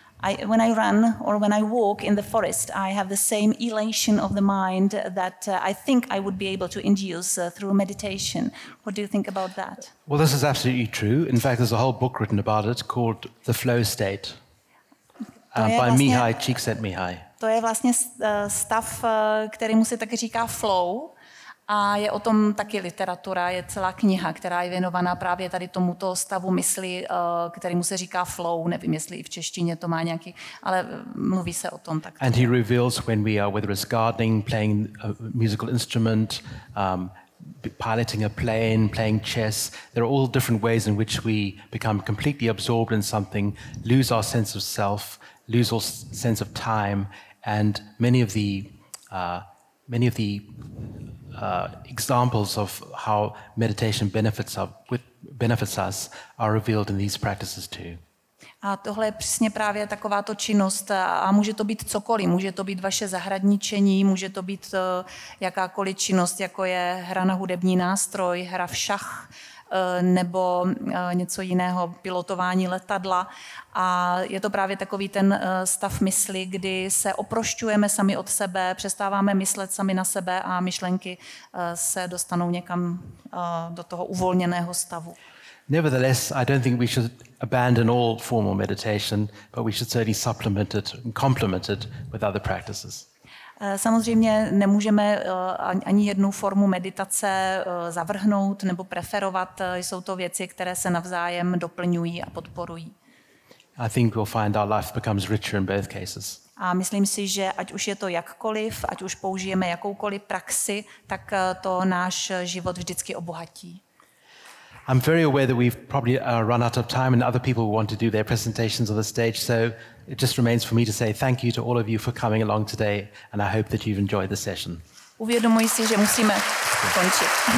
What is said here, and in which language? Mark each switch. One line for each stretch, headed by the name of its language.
English: When I run or when I walk in the forest, I have the same elation of the mind that I think I would be able to induce through meditation. What do you think about that? Well, this is absolutely true. In fact, there's a whole book written about it called The Flow State by Mihai Csikszentmihalyi.
Czech: To je vlastně stav, kterému se taky říká flow. A je o tom taky literatura, je celá kniha, která je věnovaná právě tady tomuto stavu mysli, kterému se říká flow, nevím, jestli i v češtině to má nějaký, ale mluví se o tom tak.
English: And he reveals when we are, whether it's gardening, playing a musical instrument, piloting a plane, playing chess, there are all different ways in which we become completely absorbed in something, lose our sense of self, lose our sense of time, and many of the examples of how meditation benefits us are revealed in these practices too.
Czech: A tohle je přesně právě taková to činnost a může to být cokoliv, může to být vaše zahradničení, může to být jakákoliv činnost, jako je hra na hudební nástroj, hra v šach, nebo něco jiného, pilotování letadla. A je to právě takový ten stav mysli, kdy se oprošťujeme sami od sebe, přestáváme myslet sami na sebe a myšlenky se dostanou někam do toho uvolněného stavu.
English: Nevertheless, I don't think we should abandon all formal meditation, but we should certainly supplement it and complement it with other practices.
Czech: Samozřejmě nemůžeme ani jednu formu meditace zavrhnout nebo preferovat. Jsou to věci, které se navzájem doplňují a podporují.
English: I think we'll find our life becomes richer in both cases.
Czech: A myslím si, že ať už je to jakkoliv, ať už použijeme jakoukoliv praxi, tak to náš život vždycky obohatí.
English: I'm very aware that we've probably run out of time and other people want to do their presentations on the stage, so it just remains for me to say thank you to all of you for coming along today and I hope that you've enjoyed the session.
Czech: Uvědomuji si, že musíme končit.